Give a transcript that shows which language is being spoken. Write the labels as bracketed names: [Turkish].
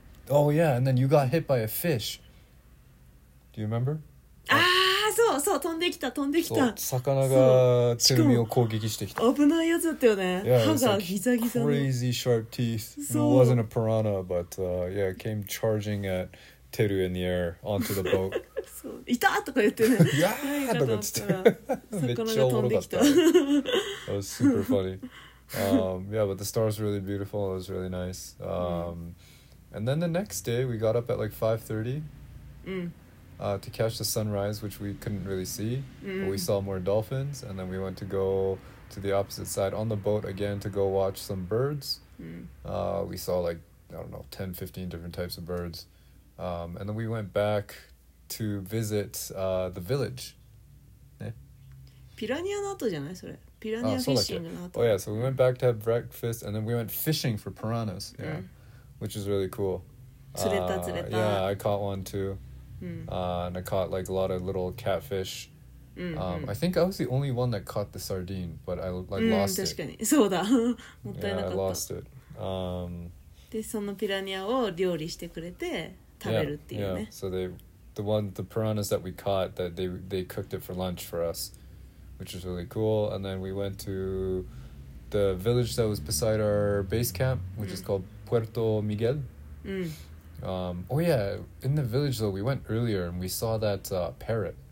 [English] Oh, yeah, and then you got hit by a fish. Do you remember? [Japanese] そうそう、飛んできた、飛んできた。魚がチェルミを攻撃してきた。危ないやつだったよね。 [English] Yeah, [Japanese] 歯がギザギザの。 [English] Crazy sharp teeth. It wasn't a piranha, but yeah, it came charging at Teru in the air onto the boat. [Japanese] そう、いたとか言ってね。 Yeah, とか言って。めっちゃおもろかった。 [English] That was super funny. yeah, but the stars were really beautiful. It was really nice. And then the next day, we got up at like 5:30 to catch the sunrise, which we couldn't really see. But we saw more dolphins, and then we went to go to the opposite side on the boat again to go watch some birds. We saw like, I don't know, 10, 15 different types of birds. And then we went back to visit the village. [Japanese] ピラニアの後じゃないそれ。ピラニアフィッシングの後。 [English] Oh yeah, so we went back to have breakfast and then we went fishing for piranhas, which is really cool. [Japanese] 釣れた。 [English] Yeah, I caught one too. And I caught like a lot of little catfish. I think I was the only one that caught the sardine, but I like lost it. [Japanese] 確かに、そうだ。もったいなかった。 [English] Yeah, I lost it. [Japanese] で、そのピラニアを料理してくれて食べるっていうね。 [English] Yeah, so the piranhas that we caught, that they cooked it for lunch for us.Which is really cool, and then we went to the village that was beside our base camp, which is called Puerto Miguel. Oh yeah, in the village though, we went earlier and we saw that parrot.